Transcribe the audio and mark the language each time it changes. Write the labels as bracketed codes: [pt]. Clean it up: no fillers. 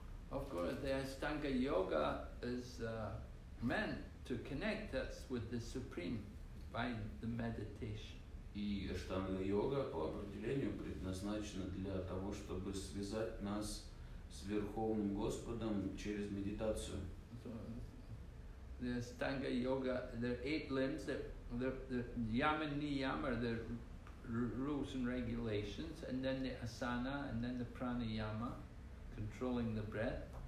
[en] Of course, the Ashtanga Yoga is meant to connect us with the Supreme by the meditation. [ru] И Ashtanga Yoga по определению предназначена для того, чтобы связать нас с Верховным Господом через медитацию. [en] The Ashtanga Yoga, there are eight limbs, the Yama Niyama, the rules and regulations, and then the Asana, and then the Pranayama, controlling the breath.